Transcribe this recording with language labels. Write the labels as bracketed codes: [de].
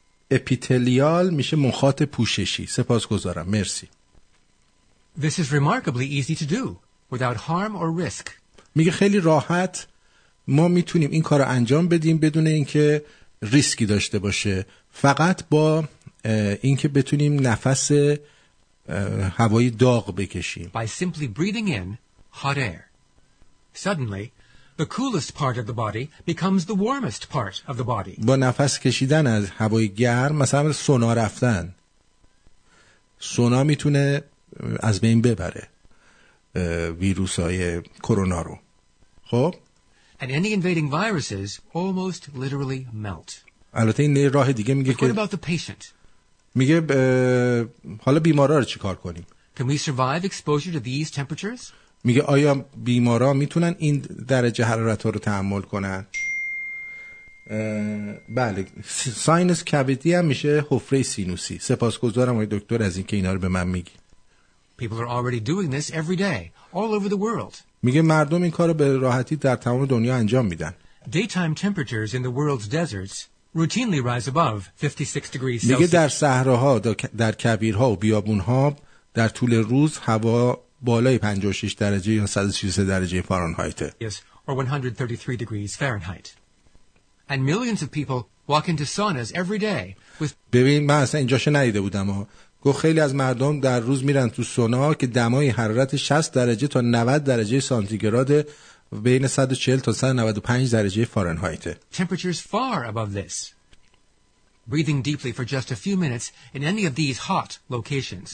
[fa] اپیتلیال میشه مخاط پوششی. سپاسگزارم. مرسی. [en] This is remarkably easy to do without harm or risk. [fa] میگه خیلی راحت ما میتونیم این کار رو انجام بدیم بدون اینکه ریسکی داشته باشه، فقط با اینکه بتونیم نفس هوای داغ بکشیم. [en] By simply breathing in hot air. Suddenly, the coolest part of the body becomes the warmest part of the body. [fa] با نفس کشیدن از هوای گرم، مثلا سونا رفتن، سونا میتونه از بین ببره ویروس های کرونا رو. خب؟ [en] And any invading viruses almost literally melt. [fa] البته این راه دیگه میگه که. [en] What about the patient? [fa] میگه حالا بیمارا رو چی کار کنیم؟ [en] Can we survive exposure to these temperatures? [fa] میگه آیا بیمارا میتونن این درجه حرارت ها رو تحمل کنن؟ بله، sinus cavity هم میشه حفره سینوسی. سپاسگزارم آقای دکتر از این که اینا رو به من میگی. [en] People are already doing this every day, all over the world. [fa] میگه مردم این کار رو به راحتی در تمام دنیا انجام میدن. [en] Daytime temperatures in the world's deserts routinely rise above 56 degrees Celsius. [fa] میگه در صحراها، در کویرها و بیابونها در طول روز هوا بالای 56 درجه یا 133 درجه فارنهایت. [en] Yes, or 133 degrees Fahrenheit. And millions of people walk into saunas every day with. [fa] ببین من اصلا اینجاشو ندیده بودم. گفت خیلی از مردم در روز میرن تو سونا که دمای حرارت 60 درجه تا 90 درجه سانتیگراد بین 140 تا 195 درجه فارنهایت. [en] Temperatures far above this. Breathing deeply for just a few minutes in any of these hot locations.